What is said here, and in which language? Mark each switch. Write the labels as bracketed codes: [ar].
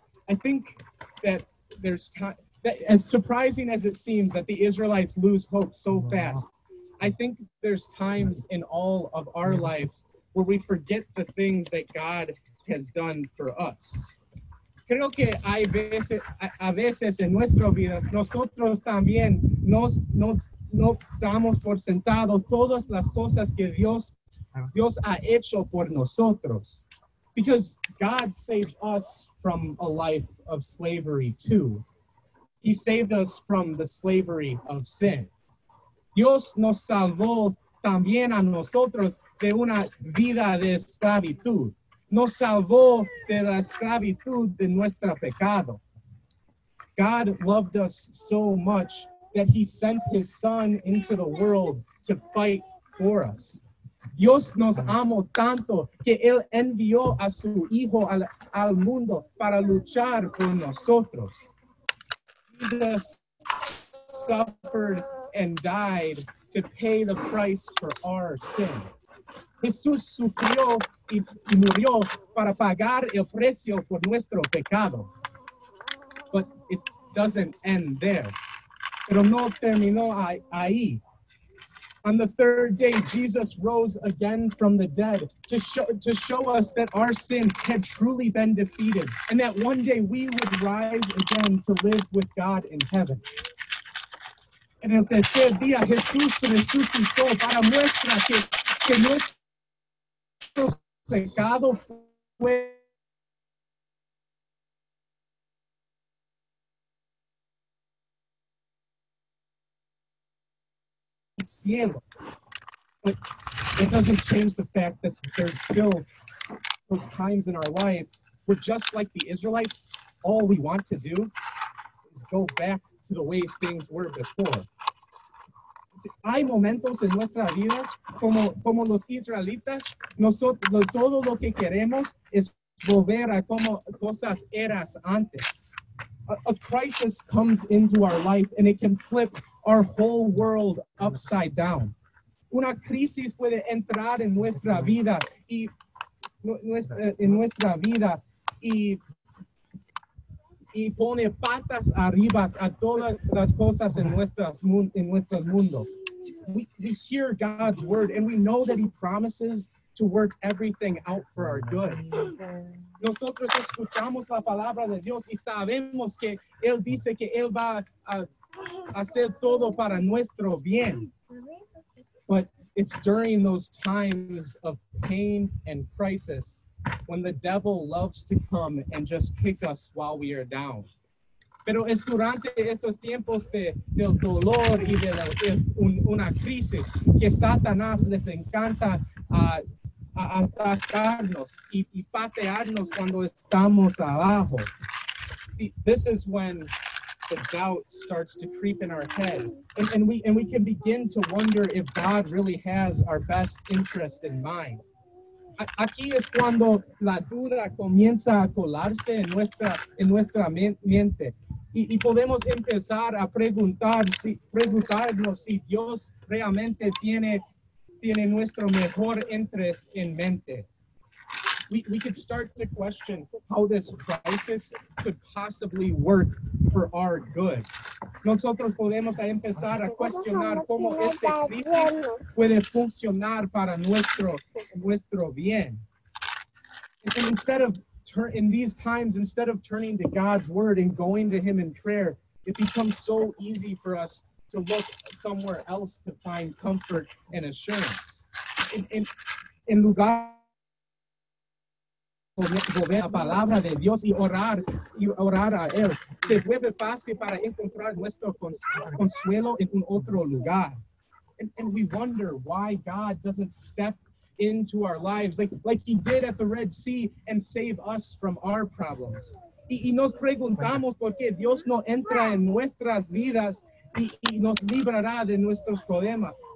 [en] I think that as surprising as it seems that the Israelites lose hope so fast, I think there's times in all of our lives where we forget the things that God has done for us. [es] Creo que hay veces en nuestras vidas, nosotros también nos damos por sentado todas las cosas que Dios ha hecho por nosotros. [en] Because God saved us from a life of slavery too. He saved us from the slavery of sin. [es] Dios nos salvó también a nosotros de una vida de esclavitud. Nos salvó de la esclavitud de nuestro pecado. [en] God loved us so much that he sent his son into the world to fight for us. [es] Dios nos amó tanto que él envió a su hijo al mundo para luchar por nosotros. [en] Jesus suffered and died to pay the price for our sin. [es] Jesús sufrió y murió para pagar el precio por nuestro pecado. [en] But it doesn't end there. [es] Pero no terminó ahí. [en] On the third day, Jesus rose again from the dead to show us that our sin had truly been defeated, and that one day we would rise again to live with God in heaven. [es] En el tercer día, Jesús resucitó para muestra que nuestro pecado fue cielo. [en] But it doesn't change the fact that there's still those times in our life where, just like the Israelites, all we want to do is go back to the way things were before. [es] Hay momentos en nuestras vidas como los israelitas, nosotros todo lo que queremos es volver a como cosas eras antes. [en] A crisis comes into our life and it can flip our whole world upside down. [es] Una crisis puede entrar en nuestra vida y pone patas arriba a todas las cosas en nuestro mundo. [en] We hear God's word and we know that he promises to work everything out for our good. [es] Nosotros escuchamos la palabra de Dios y sabemos que él dice que él va a hacer todo para nuestro bien. [en] But it's during those times of pain and crisis when the devil loves to come and just kick us while we are down. [es] Pero es durante esos tiempos del dolor y de una crisis que Satanás les encanta a atacarnos y patearnos cuando estamos abajo. [en] See, this is when the doubt starts to creep in our head, and we can begin to wonder if God really has our best interest in mind. [es] Aquí es cuando la duda comienza a colarse en nuestra mente, y podemos empezar a preguntarnos si Dios realmente tiene nuestro mejor interés en mente. [en] We could start to question how this crisis could possibly work for our good. [es] Nosotros podemos empezar a cuestionar cómo esta crisis puede funcionar para nuestro bien. [en] And instead of turning to God's word and going to him in prayer, it becomes so easy for us to look somewhere else to find comfort and assurance. [es] En lugar volver a la palabra de Dios y orar a él, se vuelve fácil para encontrar nuestro consuelo en un otro lugar. [en] And we wonder why God doesn't step into our lives like he did at the Red Sea and save us from our problems. [es] Y nos preguntamos por qué Dios no entra en nuestras vidas y nos librará de nuestros problemas.